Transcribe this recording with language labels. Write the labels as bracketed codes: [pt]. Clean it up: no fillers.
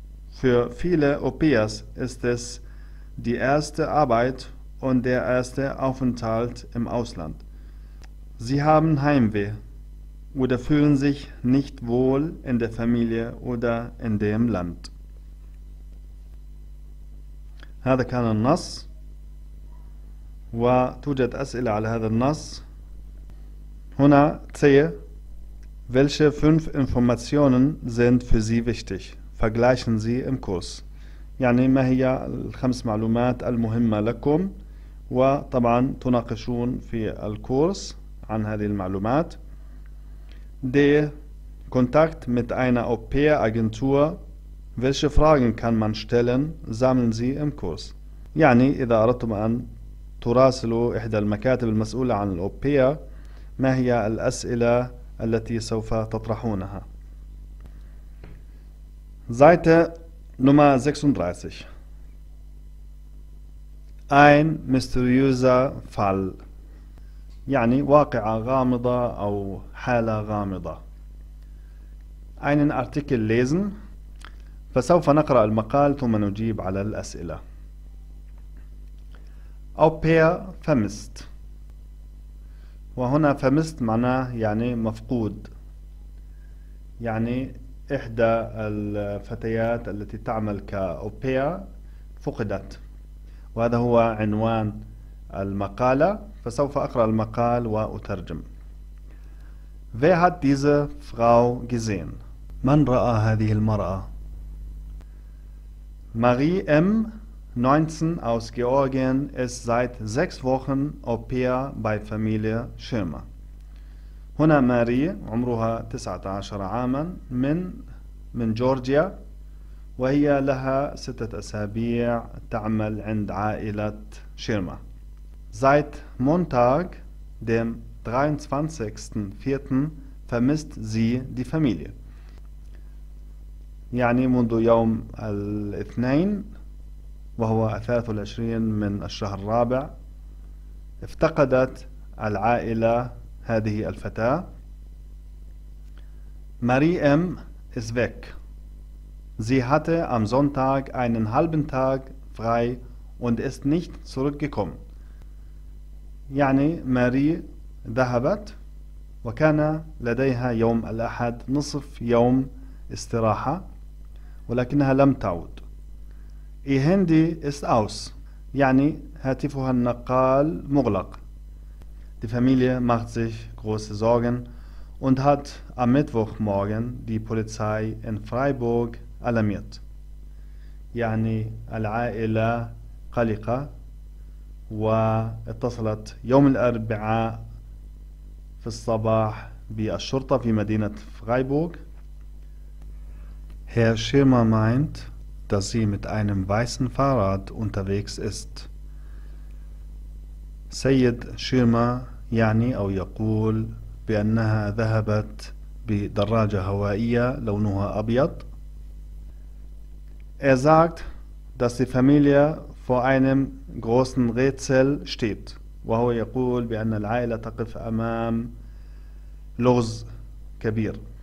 [de] Für viele Au-pairs ist es die erste Arbeit und der erste Aufenthalt im Ausland. Sie haben Heimweh oder fühlen sich nicht wohl in der Familie oder in dem Land. [ar] هذا كان النص وتوجد أسئلة على هذا النص هنا تسيه [de] Welche 5 Informationen sind für Sie wichtig? Vergleichen Sie im Kurs. [ar] يعني ما هي الخمس معلومات المهمة لكم وطبعا تناقشون في الكورس عن هذه المعلومات [de] Der Kontakt mit einer Au-pair-Agentur. Welche Fragen kann man stellen? Sammeln Sie im Kurs. [ar] يعني إذا أردتم أن تراسلوا إحدى المكاتب المسؤولة عن الأوبير ما هي الأسئلة التي سوف تطرحونها؟ [de] Seite Nummer 36. Ein mysteriöser Fall. [ar] يعني واقعة غامضة أو حالة غامضة. [de] Einen Artikel lesen. [ar] فسوف نقرأ المقال ثم نجيب على الأسئلة. [de] Au pair vermisst. [ar] وهنا vermisst معناه يعني مفقود. يعني إحدى الفتيات التي تعمل كأو pair فقدت. وهذا هو عنوان المقالة. فسوف أقرأ المقال وأترجم. [de] Wer hat diese Frau gesehen? [ar] من رأى هذه المرأة؟ [de] Marie M., 19, aus Georgien, ist seit 6 Wochen Au-pair bei Familie Schirmer. [ar] هنا ماري عمرها 19 عاما من جورجيا وهي لها 6 أسابيع تعمل عند عائلة شيرما. [de] Seit Montag, dem 23.04. vermisst sie die Familie. [ar] يعني منذ يوم الاثنين وهو 23 من الشهر الرابع افتقدت العائلة هذه الفتاة. [de] Marie M. ist weg. Sie hatte am Sonntag einen halben Tag frei und ist nicht zurückgekommen. [ar] يعني ماري ذهبت وكان لديها يوم الأحد نصف يوم استراحة ولكنها لم تعود. [de] Ihr Handy ist aus. [ar] يعني هاتفها النقال مغلق. [de] Die Familie macht sich große Sorgen und hat am Mittwochmorgen die Polizei in Freiburg alarmiert. [ar] يعني العائلة قلقة واتصلت يوم الأربعاء في الصباح بالشرطة في مدينة فرايبورغ. [de] Herr Schirmer meint, dass sie mit einem weißen Fahrrad unterwegs ist. [ar] سيد شيرمر يعني أو يقول بأنها ذهبت بدراجة هوائية لونها أبيض. [de] sagt, dass die Familie vor einem großen Rätsel steht. [ar] وهو يقول بأن العائلة تقف أمام لغز كبير.